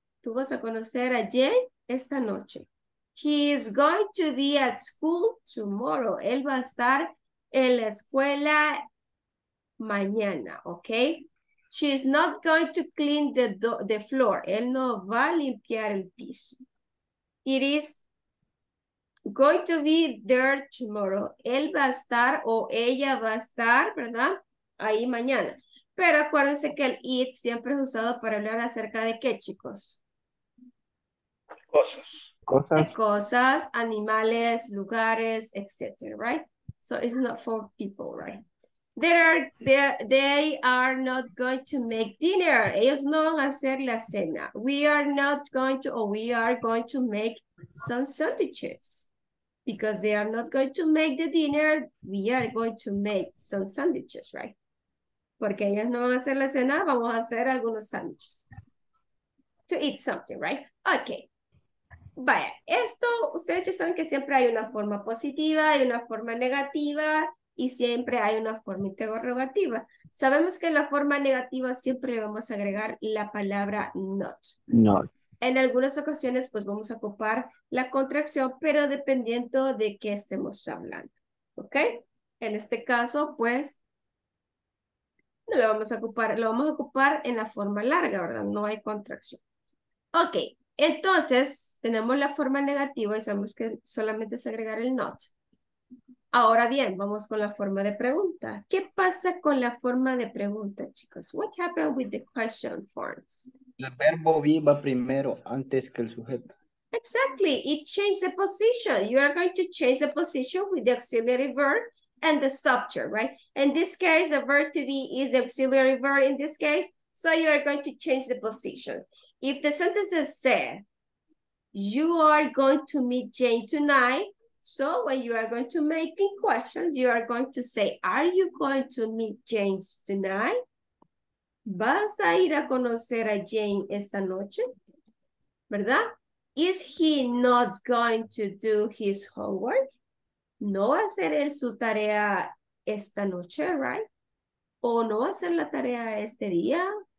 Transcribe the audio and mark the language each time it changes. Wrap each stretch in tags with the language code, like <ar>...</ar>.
<es>Tú vas a conocer a Jane esta noche.</es> <en>He is going to be at school tomorrow.</en> <es>Él va a estar en la escuela mañana, okay?</es> <en>She is not going to clean the floor.</en> <es>Él no va a limpiar el piso.</es> <en>It is going to be there tomorrow.</en> <es>Él va a estar o ella va a estar, ¿verdad? Ahí mañana. Pero acuérdense que el it siempre es usado para hablar acerca de qué, chicos. Cosas. De cosas, animales, lugares, etc.</es> <en>Right? So it's not for people, right? They are not going to make dinner.</en> <es>Ellos no van a hacer la cena.</es> <en>We are going to make some sandwiches. Because they are not going to make the dinner, we are going to make some sandwiches, right?</en> <es>Porque ellos no van a hacer la cena, vamos a hacer algunos sandwiches.</es> <en>to eat something, right? Okay.</en> <es>Vaya, esto, ustedes ya saben que siempre hay una forma positiva, hay una forma negativa, y siempre hay una forma interrogativa. Sabemos que en la forma negativa siempre vamos a agregar la palabra not. Not. En algunas ocasiones, pues vamos a ocupar la contracción, pero dependiendo de qué estemos hablando. ¿Ok? En este caso, pues, no lo vamos a ocupar. Lo vamos a ocupar en la forma larga, ¿verdad? No hay contracción. Ok. Entonces, tenemos la forma negativa y sabemos que solamente es agregar el not. Ahora bien, vamos con la forma de pregunta. ¿Qué pasa con la forma de pregunta, chicos?</es> <en>What happened with the question forms?</en> <es>El verbo be va primero, antes que el sujeto.</es> <en>Exactly. It changed the position. You are going to change the position with the auxiliary verb and the subject, right? In this case, the verb to be is the auxiliary verb in this case. So you are going to change the position. If the sentence is said, you are going to meet Jane tonight. So when you are going to make in questions, you are going to say, are you going to meet Jane tonight?</en> <es>¿Vas a ir a conocer a Jane esta noche? ¿Verdad?</es> <en>Is he not going to do his homework?</en> <es>¿No va a hacer él su tarea esta noche,</es> <en>right?</en> <es>¿O no va a hacer la tarea este día?</es>